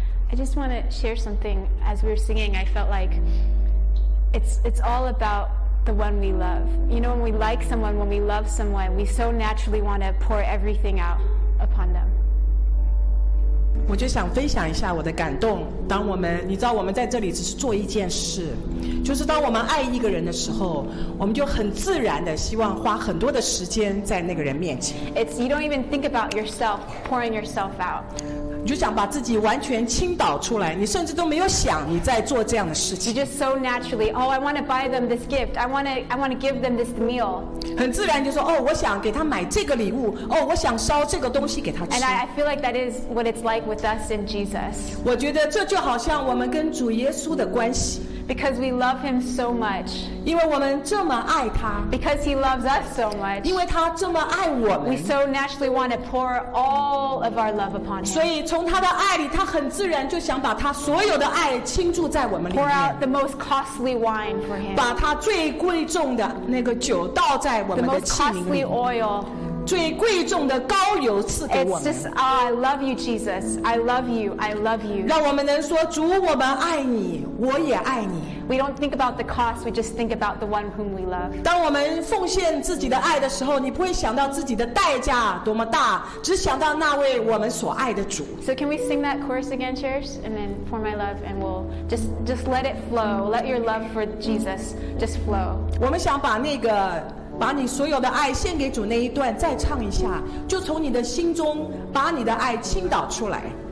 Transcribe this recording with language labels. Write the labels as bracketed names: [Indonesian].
[English] I just want to share something. As we were singing, I felt like it's all about the one we love. You know, when we like someone, when we love someone, we so naturally want to pour everything out upon them. [Chinese] 我就想分享一下我的感动。当我们，你知道，我们在这里只是做一件事，就是当我们爱一个人的时候，我们就很自然的希望花很多的时间在那个人面前。 [English] It's you don't even think about yourself pouring yourself out. [Chinese] 你就想把自己完全倾倒出来，你甚至都没有想你在做这样的事情。 [English] You just so naturally, oh, I want to buy them this gift. I want to give them this meal. [Chinese] 很自然就说，哦，我想给他买这个礼物，哦，我想烧这个东西给他吃。 [English] And I feel like that is what it's like with us in Jesus. [Chinese] 我觉得这就好像我们跟主耶稣的关系。 [English] Because we love him so much. [Chinese] 因为我们这么爱他。 [English] Because he loves us so much. [Chinese] 因为他这么爱我们。 [English] We so naturally want to pour all of our love upon him. [Chinese] 所以从他的爱里，他很自然就想把他所有的爱倾注在我们里面。 [English] Pour out the most costly wine for him. [Chinese] 把他最贵重的那个酒倒在我们的器皿里。 [English] The most costly oil. [Chinese] 最贵重的膏油赐给我们。 [English] It's just, oh, I love you, Jesus. I love you. I love you. [Chinese] 让我们能说主，我们爱你，我也爱你。 [English] We don't think about the cost. We just think about the one whom we love. [Chinese] 当我们奉献自己的爱的时候，你不会想到自己的代价多么大，只想到那位我们所爱的主。 [English] So can we sing that chorus again, church? And then pour my love, and we'll just let it flow. Let your love for Jesus just flow. [Chinese] 我们想把那个。把你所有的爱献给主那一段再唱一下，就从你的心中把你的爱倾倒出来。